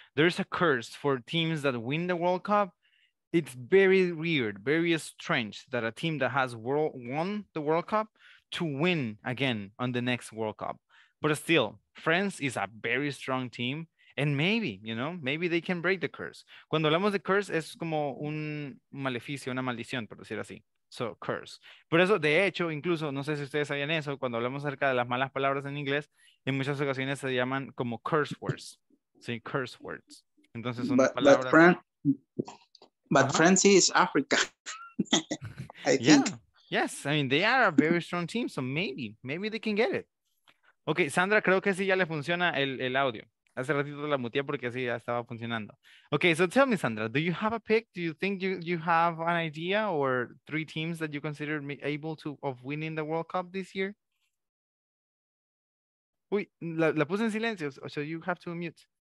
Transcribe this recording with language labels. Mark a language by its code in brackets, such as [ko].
[en] There's a curse for teams that win the World Cup. It's very weird, very strange that a team that has won the World Cup to win again on the next World Cup. But still, France is a very strong team, and maybe, you know, maybe they can break the curse. [es] Cuando hablamos de curse, es como un maleficio, una maldición, por decir así. So, curse. Por eso, de hecho, incluso, no sé si ustedes sabían eso, cuando hablamos acerca de las malas palabras en inglés, en muchas ocasiones se llaman como curse words. Sí, curse words. Entonces, son palabras... [en] But France is Africa, I think. Yes, I mean, they are a very strong team, so maybe they can get it. [es] Okay, Sandra, creo que sí ya le funciona el audio. Hace ratito la muteé porque sí ya estaba funcionando. [en] Okay, so tell me, Sandra, do you have a pick? Do you think you have an idea or three teams that you consider able to of winning the World Cup this year? [es] Uy, la puse en silencio, [en] so you have to mute.